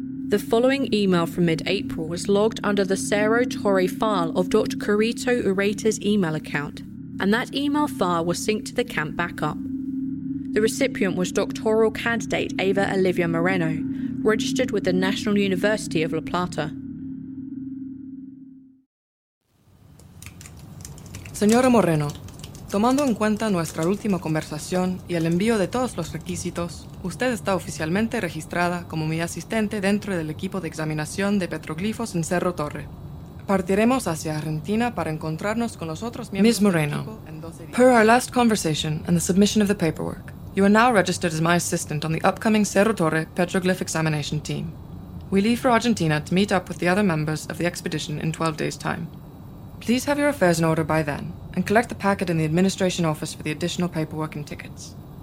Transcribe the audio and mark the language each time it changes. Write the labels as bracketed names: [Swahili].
[English] The following email from mid-April was logged under the Cerro Torre file of Dr. Carito Ureta's email account, and that email file was synced to the camp backup. The recipient was doctoral candidate Ava Olivia Moreno, registered with the National University of La Plata. [Spanish] Señora Moreno, tomando en cuenta nuestra última conversación y el envío de todos los requisitos, usted está oficialmente registrada como mi asistente dentro del equipo de examinación de petroglifos en Cerro Torre. Partiremos hacia Argentina para encontrarnos con los otros miembros. [English] Ms. Moreno, per our last conversation and the submission of the paperwork, you are now registered as my assistant on the upcoming Cerro Torre petroglyph examination team. We leave for Argentina to meet up with the other members of the expedition in 12 days' time. Please have your affairs in order by then, and collect the packet in the administration office for the additional paperwork and tickets.